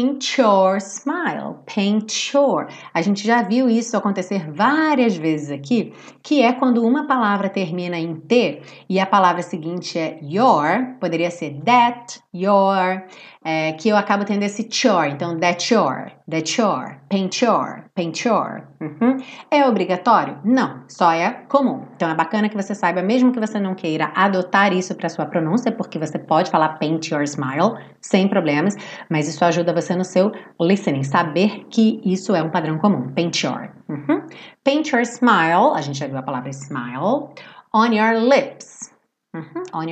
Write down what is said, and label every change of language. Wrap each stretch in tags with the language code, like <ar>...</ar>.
<en>Paint your smile.</en> <pt>A gente já viu isso acontecer várias vezes aqui, que é quando uma palavra termina em T e a palavra seguinte é your, poderia ser that, your, que eu acabo tendo esse chore.</pt> <en>Então, that your, paint your.</en> <pt>Uhum. É obrigatório? Não, só é comum. Então, é bacana que você saiba, mesmo que você não queira adotar isso para sua pronúncia, porque você pode falar</pt> <en>paint your smile</en> <pt>sem problemas, mas isso ajuda você no seu listening, saber que isso é um padrão comum, paint your.</pt> <en>Uhum. Paint your smile,</en> <pt>a gente já viu a palavra</pt> <en>smile, on your lips. Uhum.</en>